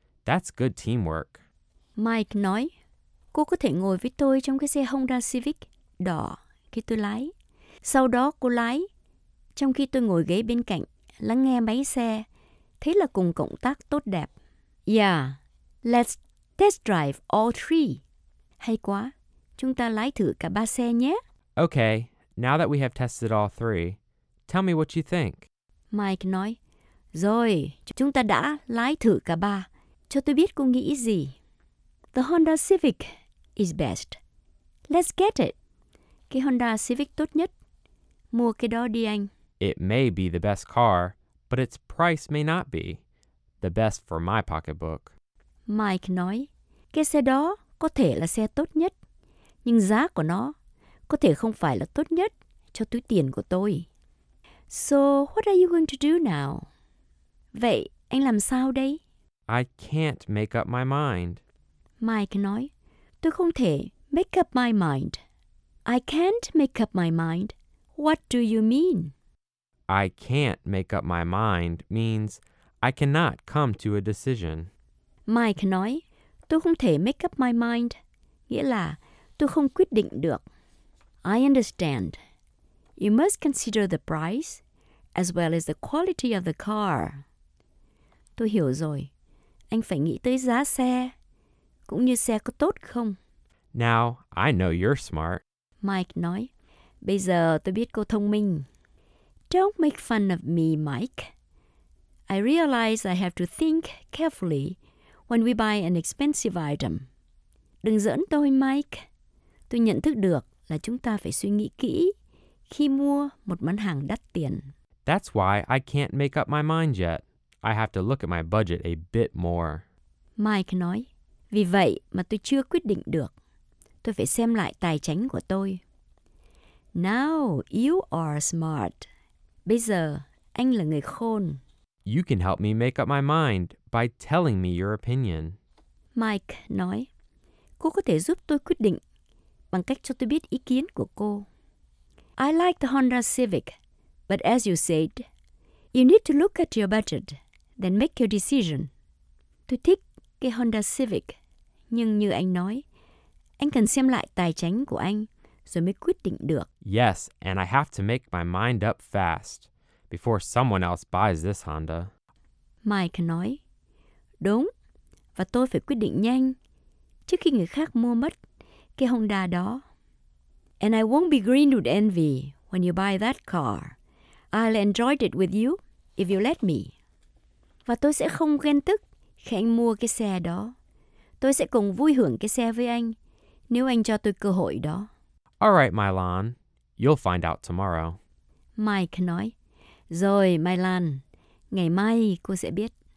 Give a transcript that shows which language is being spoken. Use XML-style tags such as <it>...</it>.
<en>That's good teamwork.</en> <vi>Mike nói, cô có thể ngồi với tôi trong cái xe Honda Civic đỏ khi tôi lái. Sau đó cô lái, trong khi tôi ngồi ghế bên cạnh, lắng nghe máy xe. Thế là cùng cộng tác tốt đẹp.</vi> <en>Yeah, let's test drive all three.</en> <vi>Hay quá, chúng ta lái thử cả ba xe nhé.</vi> <en>Okay, now that we have tested all three, tell me what you think.</en> <vi>Mike nói, rồi, chúng ta đã lái thử cả ba. Cho tôi biết cô nghĩ gì.</vi> <en>The Honda Civic is best. Let's get it.</en> <vi>Cái Honda Civic tốt nhất. Mua cái đó đi anh.</vi> <en>It may be the best car, but its price may not be the best for my pocketbook.</en> <vi>Mike nói, cái xe đó có thể là xe tốt nhất, nhưng giá của nó có thể không phải là tốt nhất cho túi tiền của tôi.</vi> <en>So, what are you going to do now?</en> <vi>Vậy, anh làm sao đây?</vi> <en>I can't make up my mind.</en> <vi>Mike nói, tôi không thể</vi> <en>make up my mind. I can't make up my mind. What do you mean? I can't make up my mind means I cannot come to a decision.</en> <vi>Mike nói, tôi không thể</vi> <en>make up my mind,</en> <vi>nghĩa là tôi không quyết định được.</vi> <en>I understand. You must consider the price as well as the quality of the car.</en> <vi>Tôi hiểu rồi. Anh phải nghĩ tới giá xe, cũng như xe có tốt không.</vi> <en>Now, I know you're smart.</en> <vi>Mike nói, bây giờ tôi biết cô thông minh.</vi> <en>Don't make fun of me, Mike. I realize I have to think carefully when we buy an expensive item.</en> <vi>Đừng giỡn tôi, Mike. Tôi nhận thức được là chúng ta phải suy nghĩ kỹ khi mua một món hàng đắt tiền.</vi> <en>That's why I can't make up my mind yet. I have to look at my budget a bit more.</en> <vi>Mike nói, vì vậy mà tôi chưa quyết định được. Tôi phải xem lại tài chính của tôi.</vi> <en>Now you are smart.</en> <vi>Bây giờ, anh là người khôn.</vi> <en>You can help me make up my mind by telling me your opinion.</en> <vi>Mike nói, cô có thể giúp tôi quyết định bằng cách cho tôi biết ý kiến của cô.</vi> <en>I like the Honda Civic, but as you said, you need to look at your budget, then make your decision.</en> <vi>Tôi thích cái Honda Civic, nhưng như anh nói, anh cần xem lại tài chính của anh. Rồi mới quyết định được.</vi> <en>Yes, and I have to make my mind up fast before someone else buys this Honda.</en> <vi>Mike nói, đúng, và tôi phải quyết định nhanh trước khi người khác mua mất cái Honda đó.</vi> <en>And I won't be green with envy when you buy that car. I'll enjoy it with you if you let me.</en> <vi>Và tôi sẽ không ghen tức khi anh mua cái xe đó. Tôi sẽ cùng vui hưởng cái xe với anh nếu anh cho tôi cơ hội đó.</vi> <en>All right, Mylan. You'll find out tomorrow.</en> <vi>Mike nói. Rồi, Mylan. Ngày mai cô sẽ biết.</vi>